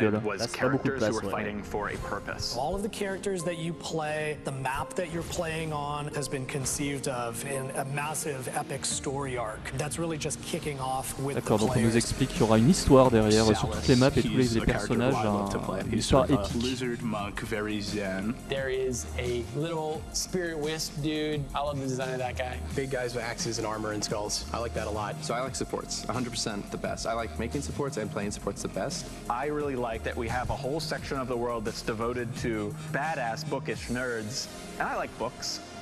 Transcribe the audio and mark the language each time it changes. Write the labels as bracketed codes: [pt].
[en] All of the characters that you play, the map that you're playing on, has been conceived of in a massive epic story arc. That's really just kicking off with the players. [fr] Donc on nous explique qu'il y aura une histoire derrière sur toutes les maps et tous les personnages, une histoire épique. [en] There is a little spirit wisp dude. I love the design of that guy. Big guys with axes and armor and skulls. I like that a lot. So I like supports, 100% the best. I like making supports and playing supports the best. I really like that we have a whole section of the world that's devoted to badass bookish nerds, and I like books.